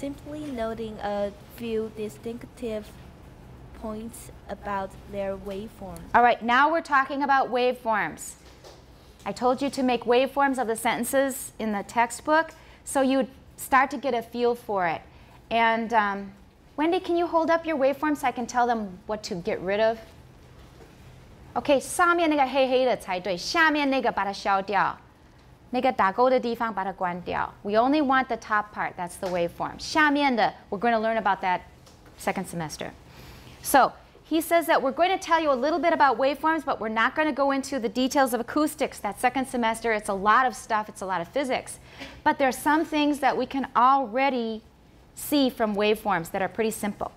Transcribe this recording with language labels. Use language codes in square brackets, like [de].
[en] Simply noting a few distinctive points about their waveforms. All right, now we're talking about waveforms. I told you to make waveforms of the sentences in the textbook, so you start to get a feel for it. And Wendy, can you hold up your waveform so I can tell them what to get rid of? [zh] Okay, 上面那个黑黑的才对，下面那个把它消掉，那个打勾的地方把它关掉。 [en] We only want the top part, that's the waveform. [zh] 下面的 [en] we're going to learn about that second semester. So,He says that we're going to tell you a little bit about waveforms, but we're not going to go into the details of acoustics that second semester. It's a lot of stuff. It's a lot of physics. But there are some things that we can already see from waveforms that are pretty simple.